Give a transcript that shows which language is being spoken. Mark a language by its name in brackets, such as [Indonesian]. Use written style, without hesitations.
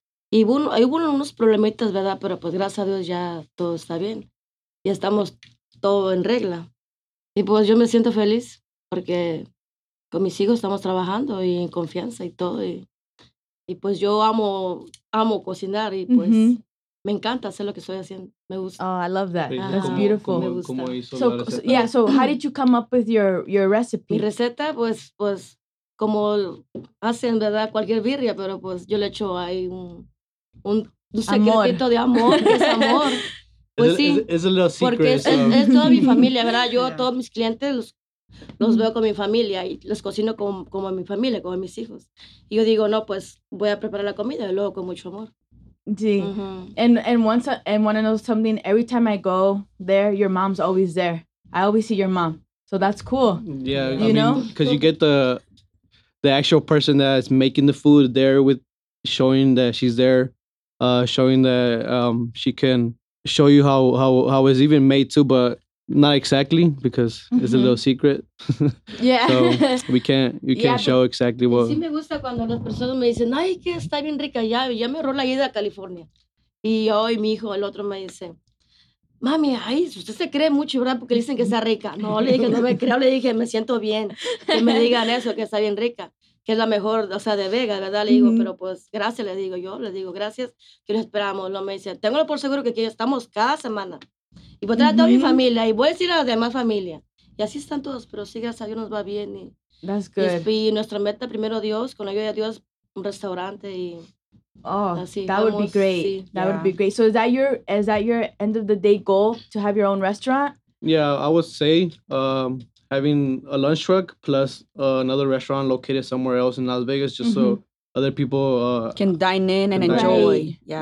[Spanish] Y hubo unos problemitas, ¿verdad? Pero, pues, gracias a Dios ya todo está bien. Y estamos todo en regla. Y, pues, yo me siento feliz porque... Con mis hijos estamos trabajando y en confianza y todo. Y pues yo amo cocinar y pues mm-hmm. me encanta hacer lo que estoy haciendo. Me gusta. [English] Oh, I love that. Ah, that's beautiful. [Spanish] ¿Cómo, me gusta. ¿Cómo hizo [English] so, [Spanish] la receta? [English] Yeah, so how did you come up with your recipe? [Spanish] Mi receta, pues como hacen, ¿verdad? Cualquier birria, pero pues yo le echo ahí un secretito de amor. Es amor. Pues [English] it's [Spanish] sí. [English] It's a little secret. [Spanish] Porque es toda mi familia, ¿verdad? Yo, todos mis clientes, los Los veo con mi familia y los cocino como mi familia, como mis hijos. Y yo digo, no, pues voy a preparar la comida y luego con mucho amor. Sí. [English] Uh-huh. And want to know something. Every time I go there, your mom's always there. I always see your mom. So that's cool. Yeah. You know? Because you get the actual person that's making the food there with showing that she's there, showing that she can show you how it's even made too, but not exactly because mm-hmm. it's a little secret. Yeah. So we can't yeah, show exactly what. [Spanish] Sí me gusta cuando las personas me dicen, ay, que está bien rica, ya me rola ida a California. Y hoy mi hijo, el otro me dice, mami, ay, usted se cree mucho, ¿verdad? Porque dicen que está rica. No, le dije, no me creo, le dije, me siento bien que me digan eso, que está bien rica, que es la mejor, o sea, de Vega, ¿verdad? Le digo, mm-hmm. pero pues, gracias, le digo, gracias, que lo esperamos. Luego me dice, téngalo por seguro que aquí estamos cada semana. Y voy a traer a toda mm-hmm. mi familia, y voy a decir a la demás familia. Y así están todos, pero sí, gracias a Dios nos va bien. Y, [English] that's good. [Spanish] Y nuestra meta, primero Dios, con la ayuda de Dios, un restaurante y... Oh, así, [English] that would be great. Sí, that yeah. would be great. So is that your end of the day goal to have your own restaurant? Yeah, I would say having a lunch truck plus another restaurant located somewhere else in Las Vegas, just mm-hmm. so other people can dine in and dine enjoy. In. Yeah.